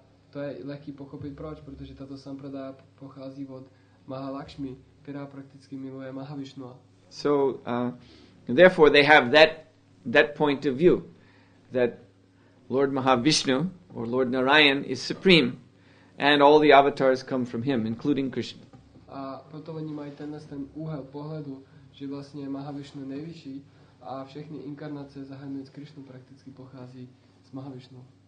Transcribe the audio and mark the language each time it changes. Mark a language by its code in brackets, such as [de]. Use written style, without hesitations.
[cs] To je lehký pochopit proč, protože tato sampradaya pochází od Mahalakshmi, která prakticky miluje Mahavishnu. [en] So therefore they have that point of view that Lord Mahavishnu or Lord Narayan is supreme and all the avatars come from him, including Krishna. [cs] A proto oni mají ten úhel pohledu, že vlastně Mahavishnu nejvyšší a všechny inkarnace zahrnují Krishnu prakticky pochází z Mahavishnu.